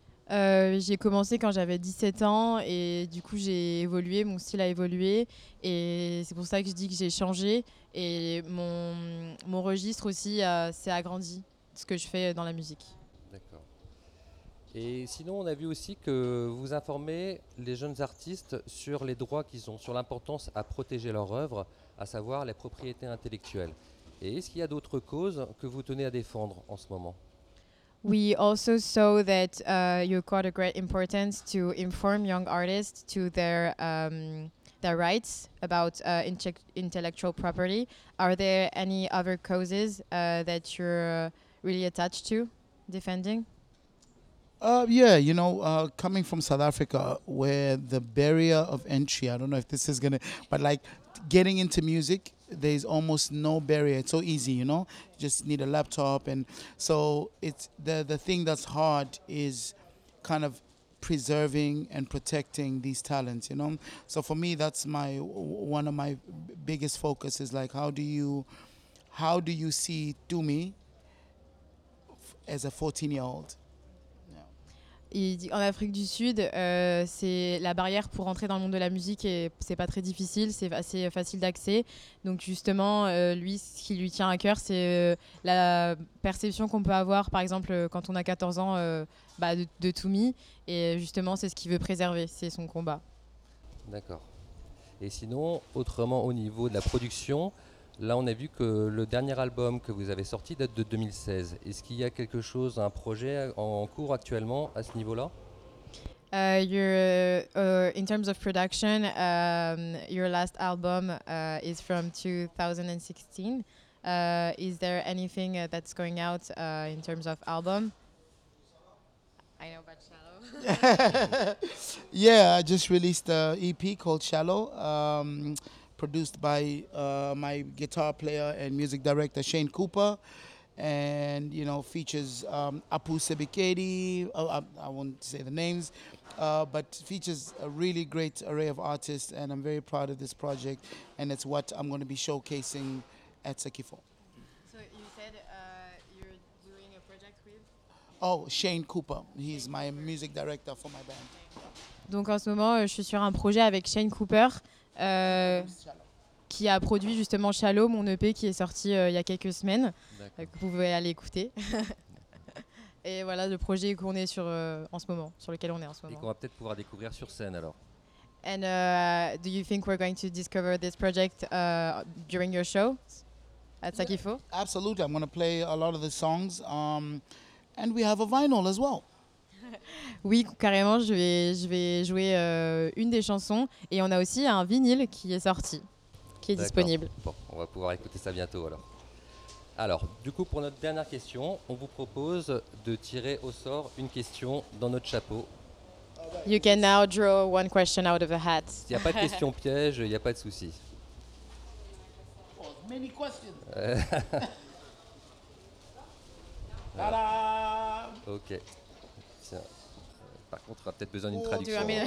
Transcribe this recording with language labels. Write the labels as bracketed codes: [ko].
[fr] J'ai commencé quand j'avais 17 ans, et du coup j'ai évolué, mon style a évolué, et c'est pour ça que je dis que j'ai changé, et mon registre aussi s'est agrandi, ce que je fais dans la musique. D'accord. Et sinon, on a vu aussi que vous informez les jeunes artistes sur les droits qu'ils ont, sur l'importance à protéger leur œuvre, à savoir les propriétés intellectuelles. Et est-ce qu'il y a d'autres causes que vous tenez à défendre en ce moment? [en] We also saw that you accord a great importance to inform young artists to their rights about intellectual property. Are there any other causes that you're really attached to defending? Yeah, you know, coming from South Africa, where the barrier of entry, I don't know if this is going to, but like getting into music, there's almost no barrier. It's so easy, you know, you just need a laptop. And so it's the thing that's hard is kind of preserving and protecting these talents, you know. So for me, that's my one of my biggest focus is like, how do you see Tumi as a 14-year-old? [fr] Il dit, en Afrique du Sud, c'est la barrière pour entrer dans le monde de la musique, et c'est pas très difficile, c'est assez facile d'accès. Donc justement, lui, ce qui lui tient à cœur, c'est la perception qu'on peut avoir, par exemple, quand on a 14 ans, de Tumi. Et justement, c'est ce qu'il veut préserver, c'est son combat. D'accord. Et sinon, autrement, au niveau de la production, là, on a vu que le dernier album que vous avez sorti date de 2016. Est-ce qu'il y a quelque chose, un projet en cours actuellement à ce niveau-là? [en] In terms of production, your last album is from 2016. Is there anything that's going out in terms of album? I know about Shallow. Yeah, I just released an EP called Shallow. Produced by my guitar player and music director Shane Cooper, and you know, features Apu Sebikedi. I won't say the names, but features a really great array of artists, and I'm very proud of this project, and it's what I'm going to be showcasing at Sekifo. So you said you're doing a project with? Oh, Shane Cooper. He's my music director for my band. [fr] Donc en ce moment, je suis sur un projet avec Shane Cooper. Qui a produit justement Shallow, mon EP qui est sorti il y a quelques semaines. Vous pouvez aller écouter. Et voilà le projet qu'on est sur en ce moment, sur lequel on est en ce moment. Et qu'on va peut-être pouvoir découvrir sur scène alors. [en] And do you think we're going to discover this project during your show [fr] C'est ça qu'il faut. [en] Absolutely, I'm going to play a lot of the songs, and we have a vinyl as well. [fr] Oui, carrément, je vais jouer une des chansons, et on a aussi un vinyle qui est sorti, qui est disponible. Bon, on va pouvoir écouter ça bientôt alors. Alors, du coup, pour notre dernière question, on vous propose de tirer au sort une question dans notre chapeau. [en] You can now draw one question out of a hat. [fr] Il n'y a pas de question piège, il n'y a pas de souci. [en] Many questions. Ta-da! [fr] Ok. Tiens. Par contre, on aura peut-être besoin d'une traduction.